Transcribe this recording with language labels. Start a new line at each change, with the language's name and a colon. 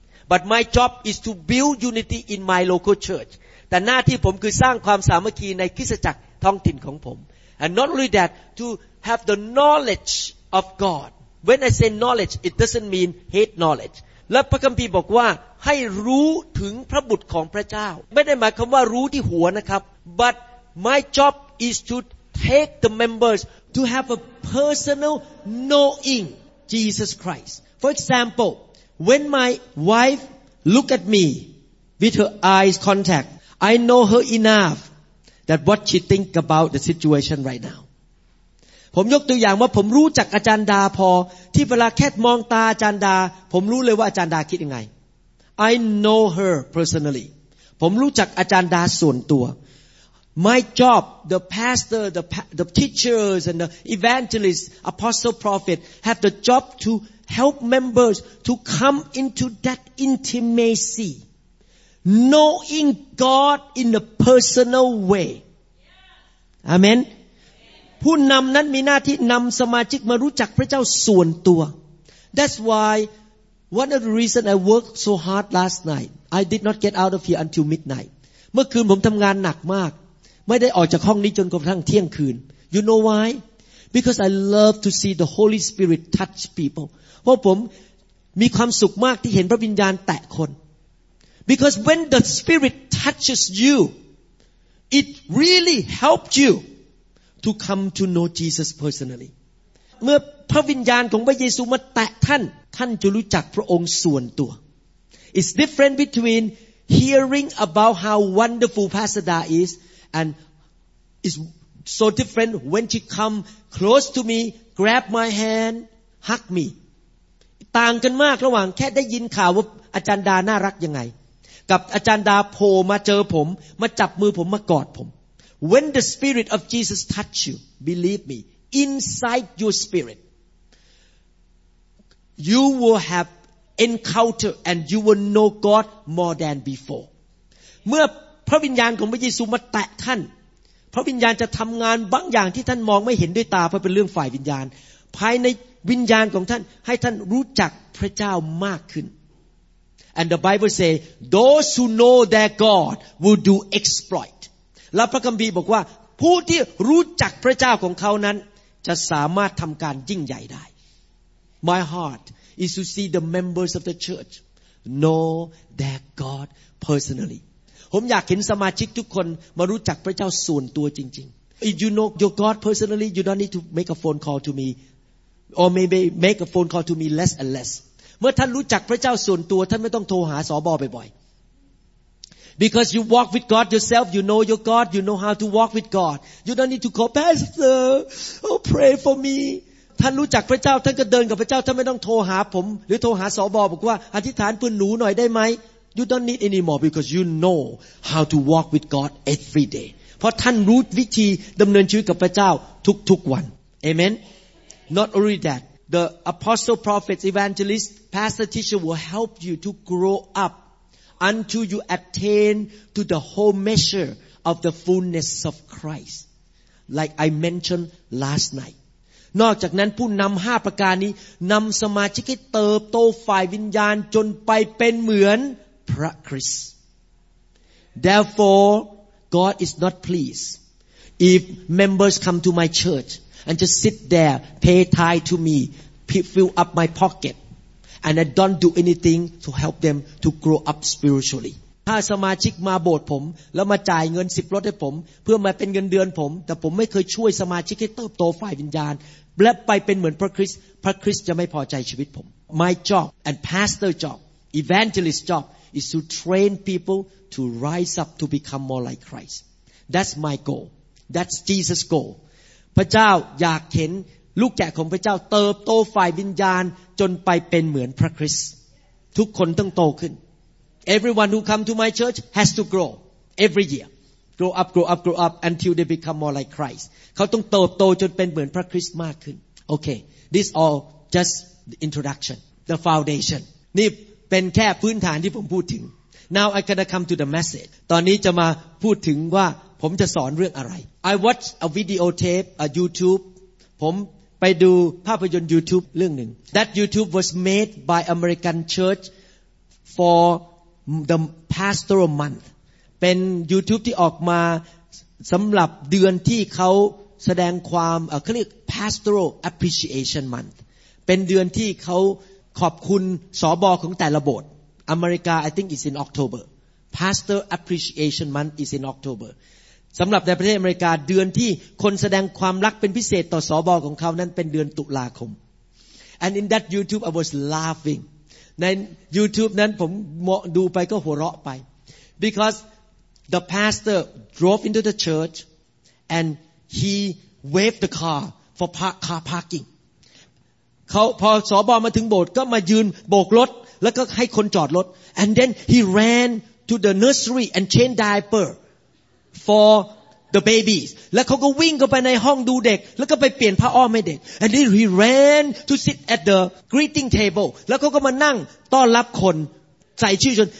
English: But my job is to build unity in my local church
Thai: แต่หน้าที่ผมคือสร้างความสามัคคีในคริสตจักรท้องถิ่นของผม
English: And not only that to have the knowledge of GodWhen I say knowledge, it doesn't mean hate knowledge.
Thai: และพระคัมภีร์บอกว่าให้รู้ถึงพระบุตรของพระเจ้าไม่ได้หมายความว่ารู้ที่หัวนะครับ
English: But my job is to take the members to have a personal knowing Jesus Christ. For example, when my wife look at me with her eyes contact, I know her enough that what she think about the situation right now.
Thai: ผมยกตัวอย่างว่าผมรู้จักอาจารย์ดาพอที่เวลาแค่มองตาอาจารย์ดาผมรู้เลยว่าอาจารย์ดาคิดยังไง
English: I know her personally
Thai: ผมรู้จักอาจารย์ดาส่วนตัว
English: My job the pastor the teachers and the evangelists apostle prophet have the job to help members to come into that intimacy knowing God in a personal way Amen
Thai: ผู้นำนั้นมีหน้าที่นำสมาชิกมารู้จักพระเจ้าส่วนตัว
English: That's why one of the reason I worked so hard last night I did not get out of here until midnight
Thai: เมื่อคืนผมทำงานหนักมากไม่ได้ออกจากห้องนี้จนกระทั่งเที่ยงคืน
English: You know why because I love to see the Holy Spirit touch people
Thai: เพราะผมมีความสุขมากที่เห็นพระวิญญาณแตะคน
English: Because when the Spirit touches you it really helped youTo come to know Jesus personally.
Thai: เมื่อพระวิญญาณของพระเยซูมาแตะท่านท่านจะรู้จักพระองค์ส่วนตัว
English: It's different between hearing about how wonderful Pastor Da is, and it's so different when she come close to me, grab my hand, hug me. ต่างกันมากระหว่างแค่ได้ยินข่าวว่าอาจารย์ดาน่ารักยังไงกับอาจารย์ดาโผล่มาเจอผมมาจับมือผมมากอดผม When the spirit of Jesus touch you, believe me, inside your spirit, you will have encounter and you will know God more than before.
Thai: เมื่อพระวิญญาณของพระเยซูมาแตะท่านพระวิญญาณจะทำงานบางอย่างที่ท่านมองไม่เห็นด้วยตาเพราะเป็นเรื่องฝ่ายวิญญาณภายในวิญญาณของท่านให้ท่านรู้จักพระเจ้ามากขึ้น
English: And the Bible say those who know their God will do exploit
Thai: และพระคัมภีร์บอกว่าผู้ที่รู้จักพระเจ้าของเขานั้นจะสามารถทำการยิ่งใหญ่ได้
English: My heart is to see the members of the church know their God personally
Thai: ผมอยากเห็นสมาชิกทุกคนมารู้จักพระเจ้าส่วนตัวจริงๆ
English: If you know your God personally you don't need to make a phone call to meOr maybe make a phone call to me less and less.
Thai: เมื่อท่านรู้จักพระเจ้าส่วนตัวท่านไม่ต้องโทรหาสบบ่อย
English: ๆ Because you walk with God yourself, you know your God, you know how to walk with God. You don't need to call pastor or pray for me.
Thai: ท่านรู้จักพระเจ้าท่านก็เดินกับพระเจ้าท่านไม่ต้องโทรหาผมหรือโทรหาสบบอกว่าอธิษฐานเพื่อหนูหน่อยได้ไหม
English: You don't need anymore because you know how to walk with God every day.
Thai: เพราะท่านรู้วิธีดำเนินชีวิตกับพระเจ้าทุกๆวัน
English: Amen. Not only that, the apostle, prophets, evangelists, pastor, teacher will help you to grow up until you attain to the whole measure of the fullness of Christ. Like I mentioned last night.
Thai: นอกจากนั้นผู้นำห้าประการนี้นำสมาชิกให้เติบโตฝ่ายวิญญาณจนไปเป็นเหมือนพระคริสต์
English: Therefore, God is not pleased if members come to my church. And just sit there, pay tithe to me, fill up my pocket, and I don't do anything to help them to grow up spiritually.
Thai: ถ้าสมาชิกมาโบสถ์ผมแล้วมาจ่ายเงินสิบรถให้ผมเพื่อมาเป็นเงินเดือนผมแต่ผมไม่เคยช่วยสมาชิกให้เติบโตฝ่ายวิญญาณและไปเป็นเหมือนพระคริสต์พระคริสต์จะไม่พอใจชีวิตผม
English: My job and pastor job, evangelist job is to train people to rise up to become more like Christ. That's my goal. That's Jesus' goal.
Thai: พระเจ้าอยากเห็นลูกแกะของพระเจ้าเติบโตฝ่ายวิญญาณจนไปเป็นเหมือนพระคริสต์ทุกคนต้องโตขึ้น
English: Everyone who come to my church has to grow every year grow up grow up grow up until they become more like Christ
Thai: เขาต้องเติบโตจนเป็นเหมือนพระคริสต์มากขึ้น
English: Okay this all just the introduction the foundation
Thai: นี่เป็นแค่พื้นฐานที่ผมพูดถึง
English: Now I gonna come to the message
Thai: ตอนนี้จะมาพูดถึงว่าผมจะสอนเรื่องอะไร
English: I watch a video tape a YouTube
Thai: ผมไปดูภาพยนตร์ YouTube เรื่องหนึ่ง
English: That YouTube was made by American Church for the pastoral month
Thai: เป็น YouTube ที่ออกมาสำหรับเดือนที่เขาแสดงความเขาเรียก
English: pastoral appreciation month
Thai: เป็นเดือนที่เขาขอบคุณสบของแต่ละโบสถ์อเมริกา
English: I think it's in October pastor appreciation month is in October
Thai: สำหรับในประเทศอเมริกาเดือนที่คนแสดงความรักเป็นพิเศษต่อสบของเขานั้นเป็นเดือนตุลาคม
English: And in that YouTube I was laughing
Thai: ใน YouTube นั้นผมดูไปก็หัวเราะไป
English: Because the pastor drove into the church and he waved the car for car parking
Thai: เขาพอสบมาถึงโบสถ์ก็มายืนโบกรถแล้วก็ให้คนจอดรถ
English: And then he ran to the nursery and changed diaperFor the babies,
Thai: แล้วเขาก็วิ่งเข้าไปในห้องดูเด็กแล้วก็ไปเปลี่ยนผ้าอ้อมให้เด็ก
English: And then he ran to sit at the greeting table,
Thai: แล้วเขาก็มานั่งต้อนรับคนใส่ชื่อจน